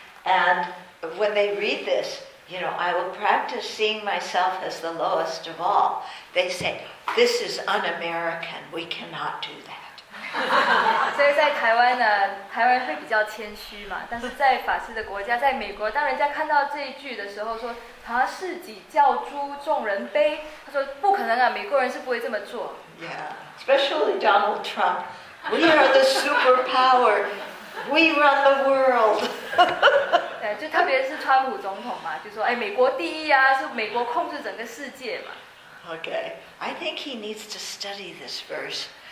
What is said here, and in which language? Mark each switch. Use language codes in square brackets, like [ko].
[en] And when they read this, I will practice seeing myself as the lowest of all. They say, "This is un-American. We cannot do that." [zh] 所以在台湾呢，台湾会比较谦虚嘛，但是在法师的国家，在美国，当人家看到这一句的时候说，他是己教诸众人卑，他说不可能啊，美国人是不会这么做。 [en] Yeah, especially Donald Trump. We are the superpower. We run the world. [zh] 对，就特别是川普总统嘛，就说哎，美国第一啊，是美国控制整个世界嘛。 [en] Okay, I think he needs to study this verse.